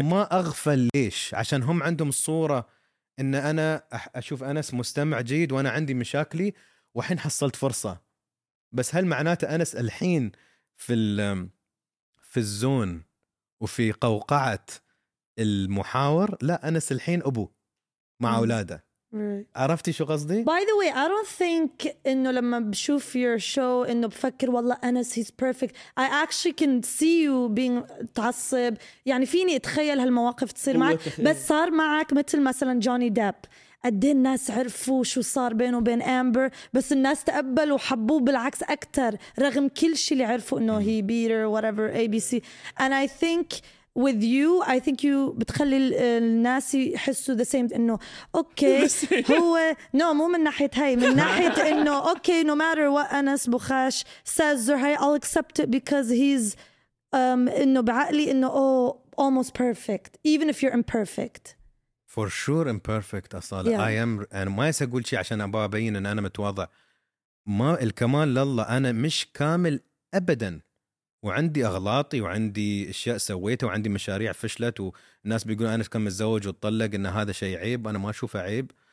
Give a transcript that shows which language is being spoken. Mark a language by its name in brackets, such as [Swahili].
[Arabic] ما أغفل ليش، عشان هم عندهم الصورة إن أنا أشوف أنس مستمع جيد وأنا عندي مشاكلي وحين حصلت فرصة. بس هل معناته أنس الحين في الزون وفي قوقعة المحاور؟ لا، أنس الحين أبو مع أولاده. عرفتي شو قصدي؟ [English] By the way, I don't think [Arabic] إنه لما بشوف [English] your show [Arabic] إنه بفكر والله أنس [English] he's perfect. I actually can see you being [Arabic] تعصب. يعني فيني أتخيل هالمواقف تصير معك. بس صار معك مثل مثلاً جوني داب. قد الناس عرفوا شو صار بينه وبين أمبر، بس الناس تقبلوا وحبوه بالعكس أكتر رغم كل شيء اللي عرفوا إنه [English] he beat her whatever ABC. And I think with you I think you [Arabic] بتخلي الناس يحسوا [English] the same [Arabic] انه اوكي هو نو مو من ناحيه هاي، من ناحيه انه اوكي [English] no matter what انس بخاش says or هاي I'll accept it because he's [Arabic] انه بعقلي انه [English] almost perfect even if you're imperfect for sure imperfect اصلا yeah. I am [Arabic] انا ما اقول شيء عشان ابين ان انا متواضع، ما الكمال لله، انا مش كامل ابدا وعندي أغلاطي وعندي أشياء سويتها وعندي مشاريع فشلت وناس بيقولوا أنا كم متزوج وطلق إن هذا شيء عيب، أنا ما أشوفه عيب.